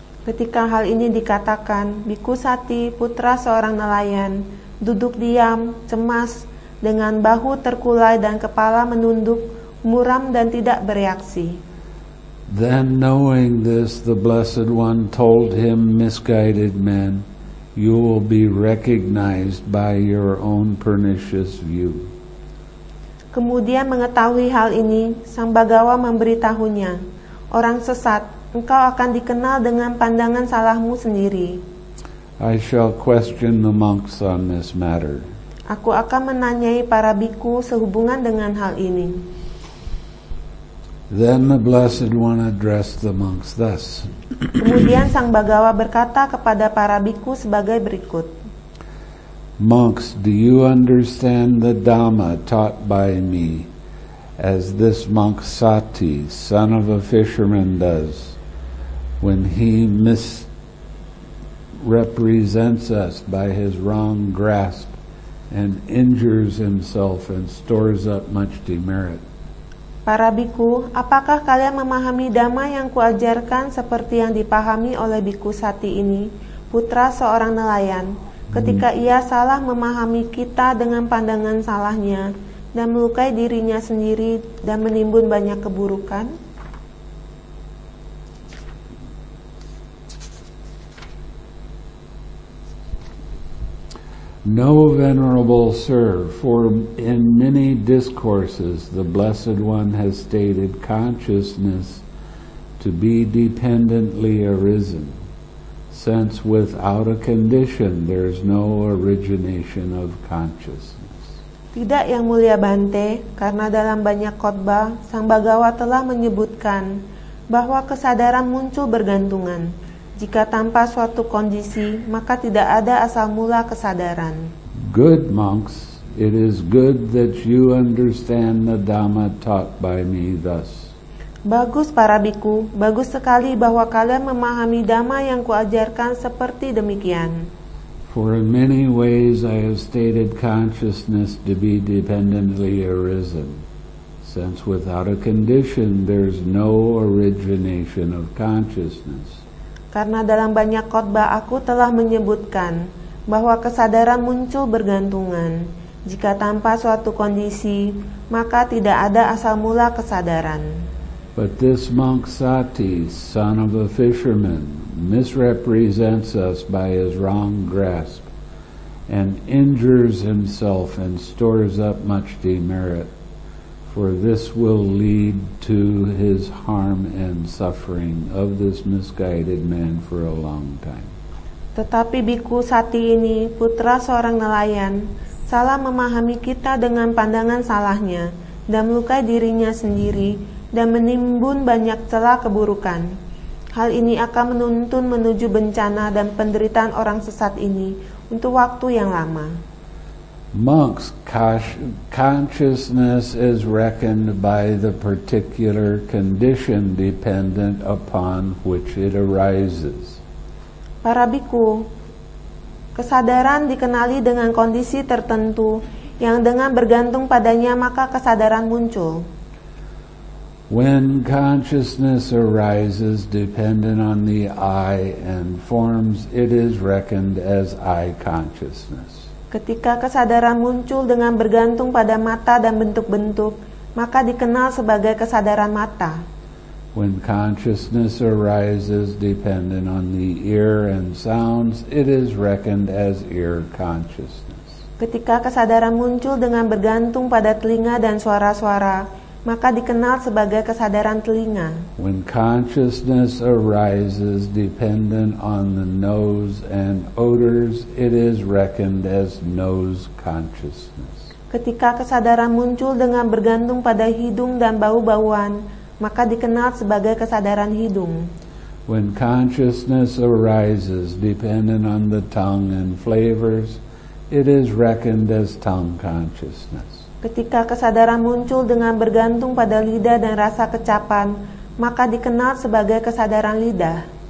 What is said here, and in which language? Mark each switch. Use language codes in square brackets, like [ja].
[id] Ketika hal ini dikatakan, Bhikkhu Sati, putra seorang nelayan, duduk diam, cemas, dengan bahu terkulai dan kepala menunduk, muram dan tidak bereaksi. [en] Then knowing this, the Blessed One told him, misguided man, you will be recognized by your own pernicious view. [id] Kemudian mengetahui hal ini, Sang Bhagava memberitahunya, orang sesat, engkau akan dikenal dengan pandangan salahmu sendiri. [en] I shall question the monks on this matter. [id] Aku akan menanyai para bhikkhu sehubungan dengan hal ini. [en] Then the Blessed One addressed the monks thus. [id] Kemudian Sang Bhagava berkata kepada para bhikkhu sebagai berikut. [en] Monks, do you understand the Dhamma taught by me as this monk Sati, son of a fisherman, does when he misrepresents us by his wrong grasp and injures himself and stores up much demerit? [id] Para bhikkhu, apakah kalian memahami Dhamma yang kuajarkan seperti yang dipahami oleh bhikkhu Sati ini, putra seorang nelayan? Ketika ia salah memahami kita dengan pandangan salahnya dan melukai dirinya sendiri dan menimbun banyak keburukan. [en] No, venerable sir, for in many discourses the Blessed One has stated consciousness to be dependently arisen. Since without a condition, there is no origination of consciousness. [id] Tidak, yang mulia Bante, karena dalam banyak khotbah, Sang Bhagava telah menyebutkan bahwa kesadaran muncul bergantungan. Jika tanpa suatu kondisi, maka tidak ada asal mula kesadaran. [en] Good monks, it is good that you understand the Dhamma taught by me thus. [id] Bagus para bhikkhu, bagus sekali bahwa kalian memahami Dhamma yang kuajarkan seperti demikian. [en] For in many ways I have stated consciousness to be dependently arisen, since without a condition there is no origination of consciousness. [id] Karena dalam banyak khotbah aku telah menyebutkan bahwa kesadaran muncul bergantungan. Jika tanpa suatu kondisi, maka tidak ada asal mula kesadaran. [en] But this monk Sati, son of a fisherman, misrepresents us by his wrong grasp and injures himself and stores up much demerit, for this will lead to his harm and suffering of this misguided man for a long time. [id] Tetapi bhikkhu Sati ini, putra seorang nelayan, salah memahami kita dengan pandangan salahnya dan melukai dirinya sendiri dan menimbun banyak celah keburukan. Hal ini akan menuntun menuju bencana dan penderitaan orang sesat ini untuk waktu yang lama. [en] Monks, consciousness is reckoned by the particular condition dependent upon which it arises. [id] Para bhikkhu, kesadaran dikenali dengan kondisi tertentu yang dengan bergantung padanya maka kesadaran muncul. [en] When consciousness arises dependent on the eye and forms, it is reckoned as eye consciousness. [id] Ketika kesadaran muncul dengan bergantung pada mata dan bentuk-bentuk, maka dikenal sebagai kesadaran mata. [en] When consciousness arises dependent on the ear and sounds, it is reckoned as ear consciousness. [id] Ketika kesadaran muncul dengan bergantung pada telinga dan suara-suara, maka dikenal sebagai kesadaran telinga. [en] When consciousness arises dependent on the nose and odors, it is reckoned as nose consciousness. [id] Ketika kesadaran muncul dengan bergantung pada hidung dan bau-bauan, maka dikenal sebagai kesadaran hidung. [en] When consciousness arises dependent on the tongue and flavors, it is reckoned as tongue consciousness. [id] Ketika kesadaran muncul dengan bergantung pada lidah dan rasa kecapan, maka dikenal sebagai kesadaran lidah.